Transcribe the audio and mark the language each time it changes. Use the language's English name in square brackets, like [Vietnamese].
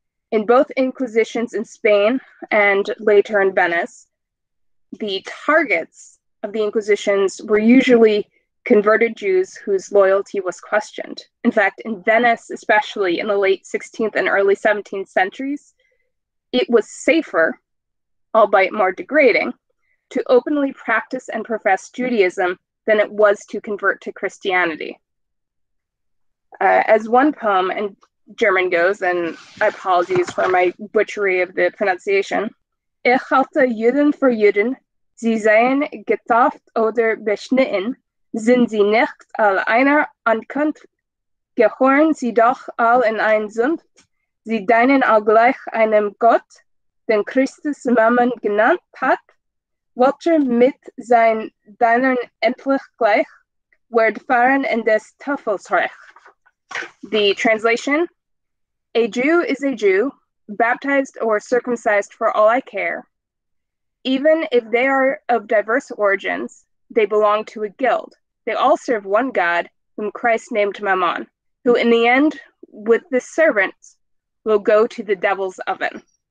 [English] In both Inquisitions in Spain and later in Venice, the targets of the Inquisitions were usually converted Jews whose loyalty was questioned. In fact, in Venice, especially in the late 16th and early 17th centuries, it was safer, albeit more degrading, to openly practice and profess Judaism than it was to convert to Christianity. As one poem in German goes, and apologies for my butchery of the pronunciation, [German] Ich halte Juden für Juden, sie seien getauft oder beschnitten, sind sie nicht all einer Ankunft, gehören sie doch all in ein Sumpf, sie dienen all gleich einem Gott, den Christus Mammon genannt hat, welcher mit sein Dienern endlich gleich, wird fahren in des Teufels Reich. [English] The translation, a Jew is a Jew, baptized or circumcised for all I care. Even if they are of diverse origins, they belong to a guild. They all serve one God, whom Christ named Mammon, who in the end, with the servants, will go to the devil's oven.